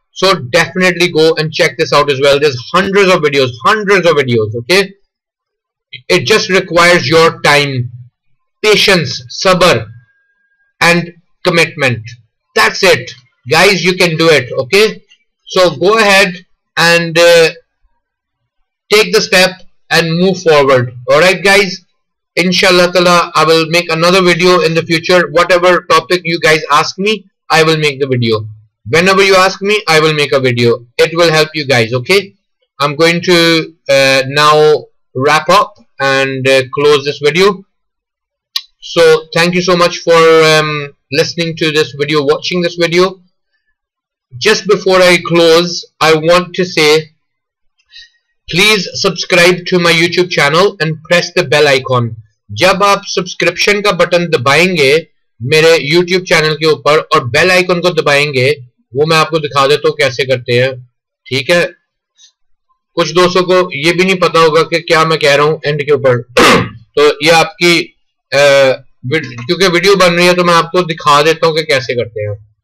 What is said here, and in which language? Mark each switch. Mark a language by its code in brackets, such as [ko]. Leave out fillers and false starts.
[en] So definitely go and check this out as well, there is hundreds of videos, okay? It just requires your time, patience, सबर and commitment, that's it guys, you can do it, okay? So go ahead and take the step and move forward. Alright guys, inshallah ta'ala, I will make another video in the future. Whatever topic you guys ask me, I will make the video. Whenever you ask me, I will make a video. It will help you guys, okay? I'm going to now wrap up and close this video. So thank you so much for listening to this video, watching this video. Just before I close, I want to say, please subscribe to my YouTube channel and press the bell icon. [hi] जब आप subscription का button दबाएंगे मेरे YouTube channel के ऊपर और bell icon को दबाएंगे, वो मैं आपको दिखा देता हूँ कैसे करते हैं, ठीक है? कुछ दोस्तों को ये भी नहीं पता होगा कि क्या मैं कह रहा हूँ end के ऊपर, तो ये आपकी क्योंकि video बन रही है तो मैं आपको दिखा देता हूँ कि कैसे करते हैं।